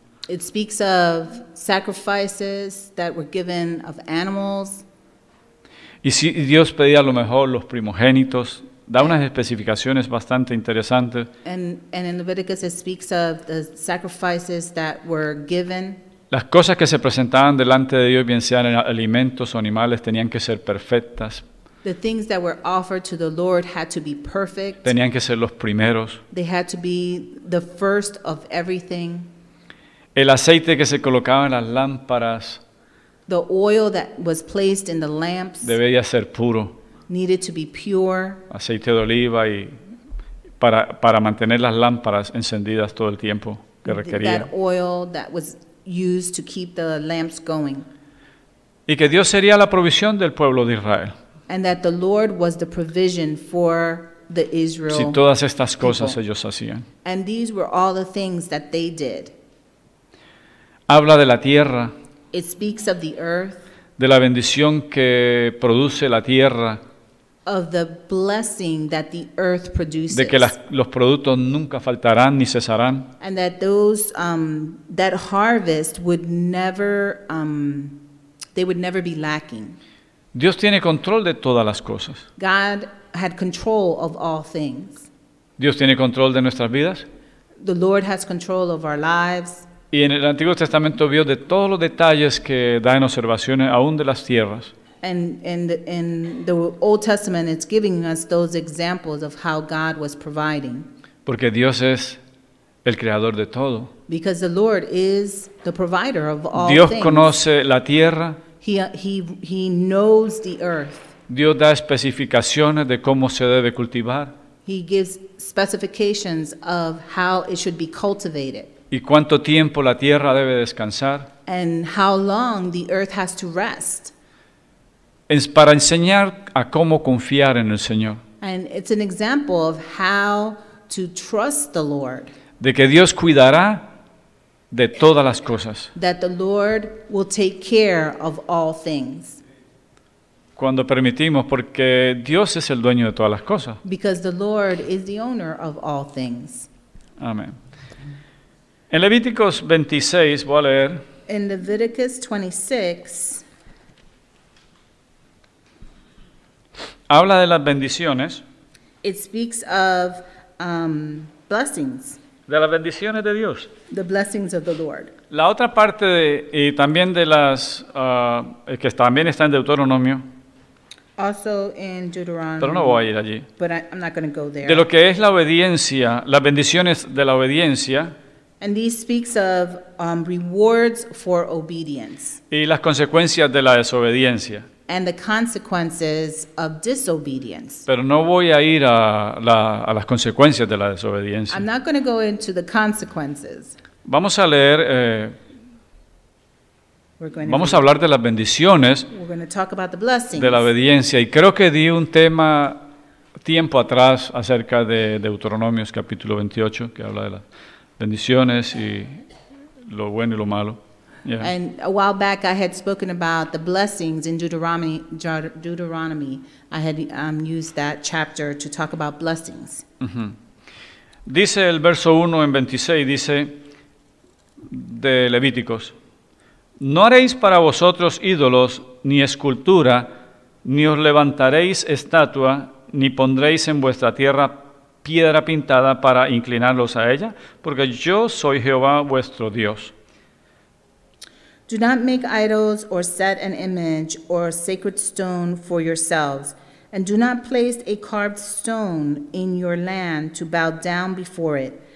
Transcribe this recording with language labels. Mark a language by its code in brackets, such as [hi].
[en] It speaks of sacrifices that were given of animals. [es] Y si Dios pedía a lo mejor los primogénitos, da unas especificaciones bastante interesantes. [en] And in Leviticus it speaks of the sacrifices that were given. [es] Las cosas que se presentaban delante de Dios, bien sean alimentos o animales, tenían que ser perfectas. [en] The things that were offered to the Lord had to be perfect. [es] Tenían que ser los primeros. [en] They had to be the first of everything. [es] El aceite que se colocaba en las lámparas. [en] The oil that was placed in the lamps. [es] Debía ser puro. [en] Needed to be pure. [es] Aceite de oliva y para mantener las lámparas encendidas todo el tiempo que requería. [en] That oil that was used to keep the lamps going. [es] Y que Dios sería la provisión del pueblo de Israel. [en] And that the Lord was the provision for the Israel. [es] Si todas estas cosas ellos hacían. [en] And these were all the things that they did. [es] Habla de la tierra. [en] It speaks of the earth. [es] De la bendición que produce la tierra. [en] Of the blessing that the earth produces. [es] De que los productos nunca faltarán ni cesarán. [en] And that those that harvest would never they would never be lacking. [es] Dios tiene control de todas las cosas. [en] God had control of all things. [es] Dios tiene control de nuestras vidas. [en] The Lord has control of our lives. [es] Y en el Antiguo Testamento vio de todos los detalles que da en observaciones, aún de las tierras. [en] And in the Old Testament, it's giving us those examples of how God was providing. [es] Porque Dios es el creador de todo. [en] Because the Lord is the provider of all [es] Dios [en] things. [es] Dios conoce la tierra. [en] He knows the earth. [es] Dios da especificaciones de cómo se debe cultivar. [en] He gives specifications of how it should be cultivated. [es] Y cuánto tiempo la tierra debe descansar. [en] And how long the earth has to rest. [es] Es para enseñar a cómo confiar en el Señor. [en] And it's an example of how to trust the Lord. [es] De que Dios cuidará de todas las cosas. [en] That the Lord will take care of all things. [es] Cuando permitimos, porque Dios es el dueño de todas las cosas. [en] Because the Lord is the owner of all things. [es] Amén. En Levíticos 26, voy a leer. [en] In Leviticus 26. [es] Habla de las bendiciones. [en] It speaks of blessings. [es] De las bendiciones de Dios. [en] The blessings of the Lord. [es] La otra parte y también de las que también está en Deuteronomio. [en] Also in Deuteronomy. [es] Pero no voy a ir allí. [en] But I'm not going to go there. [es] De lo que es la obediencia, las bendiciones de la obediencia. [en] And these speaks of rewards for obedience. [es] Y las consecuencias de la desobediencia. [en] And the consequences of disobedience. [es] Pero no voy a ir a las consecuencias de la desobediencia. [en] I'm not going to go into the consequences. [es] Vamos a leer Vamos a hablar de las bendiciones, de la obediencia. Y creo que di un tema tiempo atrás acerca de Deuteronomios capítulo 28, que habla de las bendiciones y lo bueno y lo malo. [en] Yeah. And a while back I had spoken about the blessings in Deuteronomy. I had used that chapter to talk about blessings. [es] Dice el verso 1 en 26, dice de Levíticos. No haréis para vosotros ídolos, ni escultura, ni os levantaréis estatua, ni pondréis en vuestra tierra piedra pintada para inclinarlos a ella, porque yo soy Jehová vuestro Dios. [en] Do not make idols or set an image or a sacred stone for yourselves, and do not place a carved stone in your land to bow down before it.